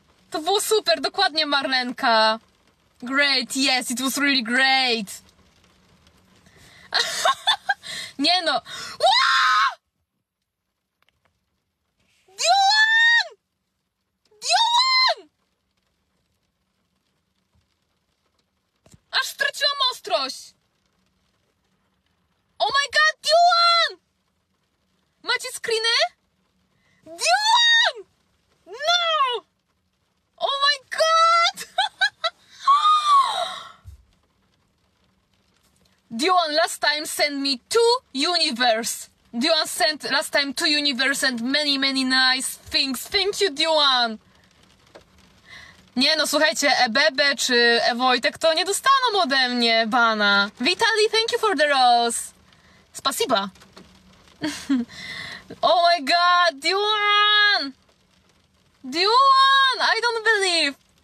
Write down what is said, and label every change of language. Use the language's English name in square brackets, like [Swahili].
[Polish] To było super, dokładnie Marlenka. [English] Great, yes, it was really great. [Polish] Nie no. Dylan! Dylan! Aż straciłam ostrość. [English] Oh my god, Dylan! [Polish] Macie screeny? [English] Dylan! No! Oh my god! Dylan, last time sent me two universe. Dylan sent last time two universe and many, many nice things. Thank you, Dylan. [Polish] Nie no, słuchajcie, Ebebe czy Ewojtek to nie dostaną ode mnie bana. [English] Vitali, thank you for the rose. [Russian] Spasiba. [English] Oh my god, Dylan! Dylan, I don't believe.